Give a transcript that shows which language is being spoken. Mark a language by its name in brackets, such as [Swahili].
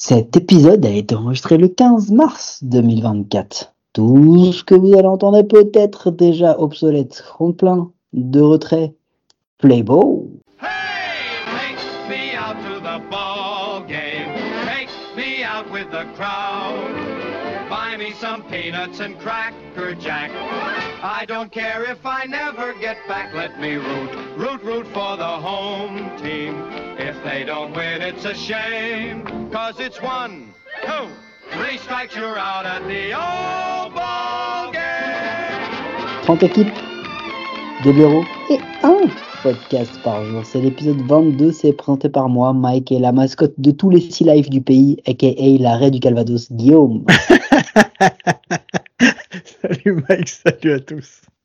[French] Cet épisode a été enregistré le 15 mars 2024. Tout ce que vous allez entendre peut être déjà obsolète, ronds-plein, de retrait. [English] Playbow! Hey, take me out to the ball game. Take me out with the crowd. Buy me some peanuts and cracker jack. I don't care if I never get back. Let me root, root, root for the home team. If they don't win, it's a shame. Cause it's one, two, three strikes, you're out at the old ball game. [French] 30 équipes, 2 bureaux et 1 podcast par jour. C'est l'épisode 22, c'est présenté par moi, Mike, et la mascotte de tous les sea life du pays, aka la raie du Calvados, Guillaume. Salut Mike, salut à tous.